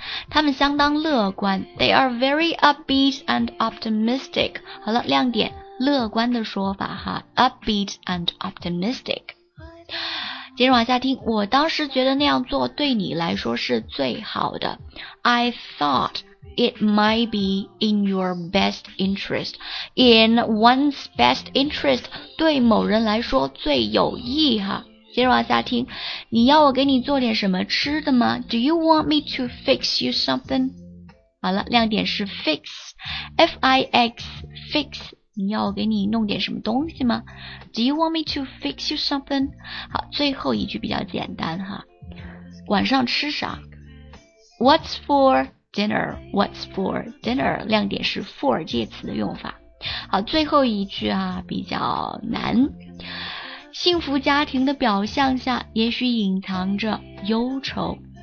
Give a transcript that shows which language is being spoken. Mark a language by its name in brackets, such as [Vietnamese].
[Chinese] 他们相当乐观， [English] They are very upbeat and optimistic. [Chinese] 好了，亮点乐观的说法哈， upbeat and optimistic。接着往下听，我当时觉得那样做对你来说是最好的。 [English] I thought it might be in your best interest. In one's best interest, [Chinese] 对某人来说最有益哈。接着往下听，你要我给你做点什么吃的吗？ [English] Do you want me to fix you something? [Chinese] 好了，亮点是 fix, F-I-X, fix,你要我给你弄点什么东西吗？ [English] Do you want me to fix you something? [Chinese] 好，最后一句比较简单哈。晚上吃啥？ [English] What's for dinner? What's for dinner? [Chinese] 亮点是 for 介词的用法。好，最后一句啊，比较难。幸福家庭的表象下，也许隐藏着忧愁。